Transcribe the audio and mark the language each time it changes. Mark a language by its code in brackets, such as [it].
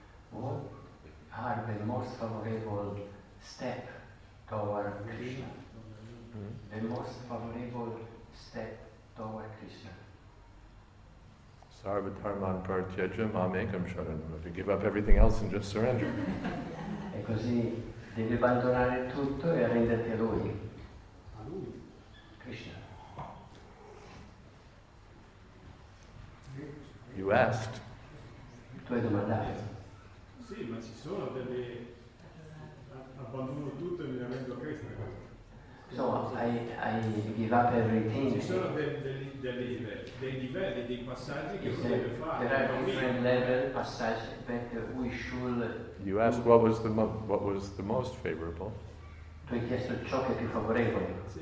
[en] What are the most favorable step toward Krishna? The most favorable step toward Krishna. [sa] Sarva dharman pratyaja mamekam sharanam. [en] To give up everything else and just surrender. [it] E così devi abbandonare tutto e arrenderti a lui. A lui? Krishna. [en] You asked. [it] Tu hai domandato. Sì, ma ci sono delle... abbandono tutto e mi arrendo a Krishna. [en] So, I give up everything. [it] Ci sono dei livelli, dei passaggi che si deve fare. [en] There are different level passaggi that we should. You asked what was the most favorable. [it] Tu hai chiesto ciò che è più favorevole.